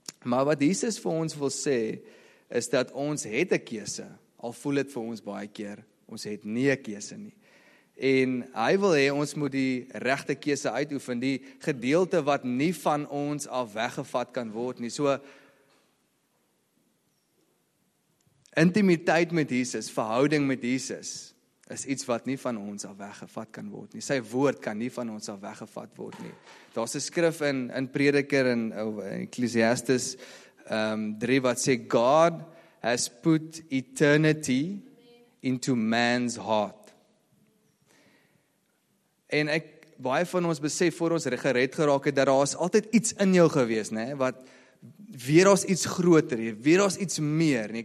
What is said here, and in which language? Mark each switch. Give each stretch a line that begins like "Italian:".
Afrikaans: Maar wat Jesus vir ons wil sê, is dat ons het 'n keuse, al voel het vir ons baie keer, ons het nie 'n keuse nie. En hy wil hê ons moet die regte keuse uitoefen, die gedeelte wat nie van ons af weggevat kan word nie. So, intimiteit met Jesus, verhouding met Jesus, is iets wat nie van ons af weggevat kan word nie. Sy woord kan nie van ons af weggevat word nie. Daar's 'n skrif in Prediker en Ecclesiastes 3 wat sê
English: God has put eternity into man's heart.
Afrikaans: En ek baie van ons besef voor ons gered geraak het dat daar's altyd iets in jou gewees, nê, wat weer ons iets groter, weer ons iets meer, nie.